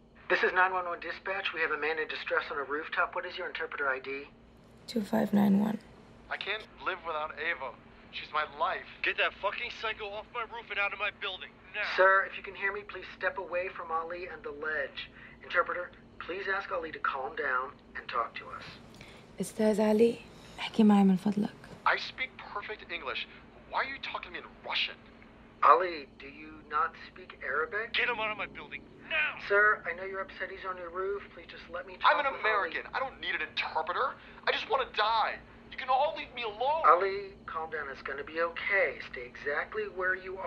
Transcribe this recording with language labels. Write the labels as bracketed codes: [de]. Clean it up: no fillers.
[en] What is your interpreter ID? 2591. I can't live without Ava. She's my life. Get that fucking psycho off my roof and out of my building. Now. Sir, if you can hear me, please step away from Ali and the ledge. Interpreter, please ask Ali to calm down and talk to us. [ar] Estaذ Ali, احكي معي من فضلك. [en] I speak perfect English. Why are you talking to me in Russian? Ali, do you not speak Arabic? Get him out of my building. No. Sir, I know you're upset he's on your roof. Please just let me talk. I'm an American. Ali. I don't need an interpreter. I just want to die. You can all leave me alone. Ali, calm down. It's going to be okay. Stay exactly where you are.